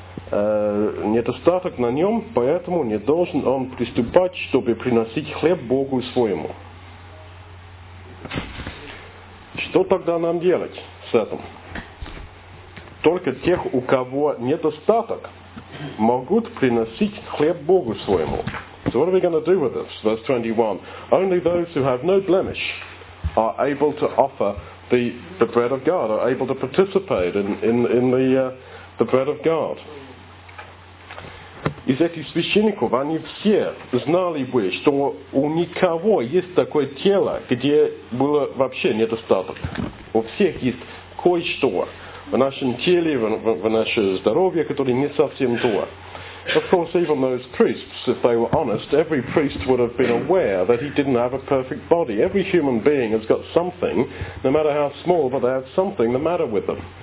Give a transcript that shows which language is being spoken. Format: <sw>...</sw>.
<ru>Недостаток на нем, поэтому не должен он приступать, чтобы приносить хлеб Богу своему. Что тогда нам делать с этим? Только тех, у кого недостаток, могут приносить хлеб Богу своему.</ru> <en>So what are we going to do with this? Verse 21. Only those who have no blemish are able to offer the bread of God, are able to participate in the bread of God.</en> <ru>Из этих священников они все знали бы, что у никого есть такое тело, где было вообще недостаток. У всех есть кое-что в нашем теле, в нашем здоровье, которое не совсем то.</ru> <en>Of course, even those priests, if they were honest, every priest would have been aware that he didn't have a perfect body. Every human being has got something, no matter how small, but they have something the matter with them.</en>